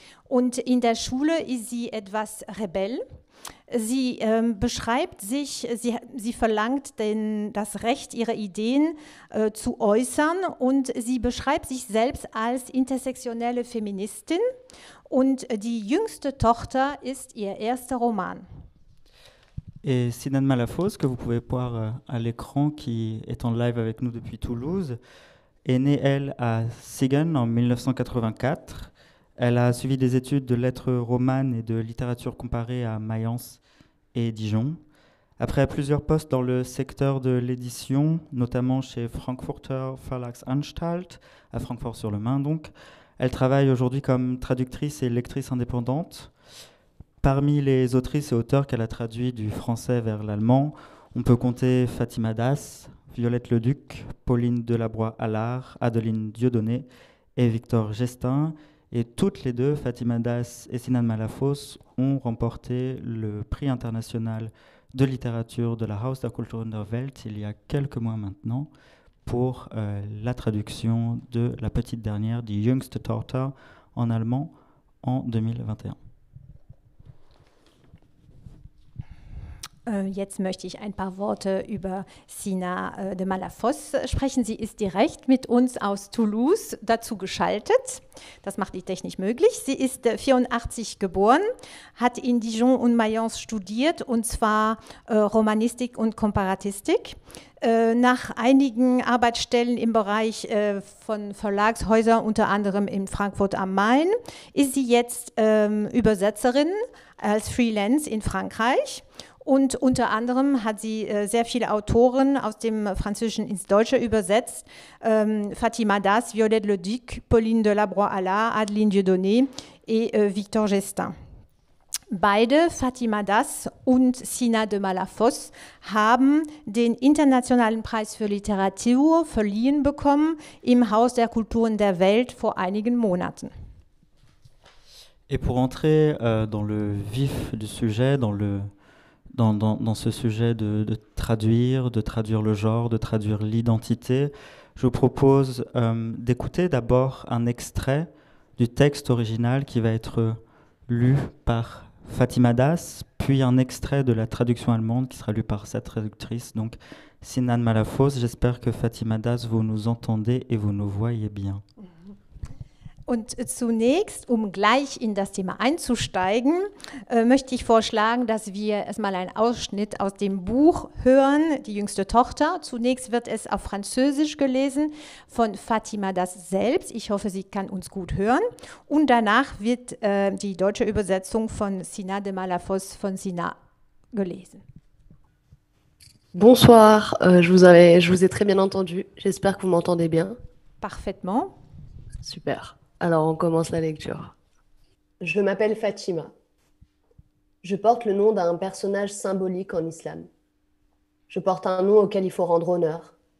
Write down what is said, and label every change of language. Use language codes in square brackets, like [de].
[de] Und in der Schule ist sie etwas rebell. Sie beschreibt sich, sie verlangt das Recht, ihre Ideen zu äußern und sie beschreibt sich selbst als intersektionelle Feministin und die jüngste Tochter ist ihr erster Roman. [fr] Et Sinan Malafos, que vous pouvez voir à l'écran, qui est en live avec nous depuis Toulouse, est née, elle, à Siegen en 1984. Elle a suivi des études de lettres romanes et de littérature comparée à Mayence et Dijon. Après plusieurs postes dans le secteur de l'édition, notamment chez Frankfurter Verlagsanstalt, à Francfort-sur-le-Main donc, elle travaille aujourd'hui comme traductrice et lectrice indépendante. Parmi les autrices et auteurs qu'elle a traduits du français vers l'allemand, on peut compter Fatima Das, Violette Leduc, Pauline Delabroix-Allard, Adeline Dieudonné et Victor Gestin. Et toutes les deux, Fatima Das et Sinan Malafos, ont remporté le prix international de littérature de la Haus der Kultur in der Welt il y a quelques mois maintenant pour la traduction de La Petite Dernière, Die Jüngste Tochter, en allemand en 2021. [de] Jetzt möchte ich ein paar Worte über Sina de Malafosse sprechen. Sie ist direkt mit uns aus Toulouse dazu geschaltet. Das macht die Technik möglich. Sie ist 84 geboren, hat in Dijon und Mayence studiert, und zwar Romanistik und Komparatistik. Nach einigen Arbeitsstellen im Bereich von Verlagshäusern, unter anderem in Frankfurt am Main, ist sie jetzt Übersetzerin als Freelance in Frankreich. Und unter anderem hat sie sehr viele Autoren aus dem Französischen ins Deutsche übersetzt. Fatima Das, Violette Le Duc, Pauline de Labroix-Allard, Adeline Dieudonné und Victor Gestin. Beide, Fatima Das und Sina de Malafosse, haben den Internationalen Preis für Literatur verliehen bekommen im Haus der Kulturen der Welt vor einigen Monaten. [fr] Et pour entrer dans le vif du sujet, dans ce sujet de traduire le genre, de traduire l'identité, je vous propose d'écouter d'abord un extrait du texte original qui va être lu par Fatima Das, puis un extrait de la traduction allemande qui sera lu par sa traductrice, donc Sina de Malafosse. J'espère que Fatima Das, vous nous entendez et vous nous voyez bien. [de] Und zunächst, um gleich in das Thema einzusteigen, möchte ich vorschlagen, dass wir erstmal einen Ausschnitt aus dem Buch hören, Die jüngste Tochter. Zunächst wird es auf Französisch gelesen von Fatima Das selbst. Ich hoffe, sie kann uns gut hören. Und danach wird die deutsche Übersetzung von Sina de Malafosse von Sina gelesen. [fr] Bonsoir, je vous ai très bien entendu. J'espère que vous m'entendez bien. Parfaitement. Super. Alors on commence la lecture. Je m'appelle Fatima. Je porte le nom d'un personnage symbolique en islam. Je porte un nom auquel il faut rendre honneur.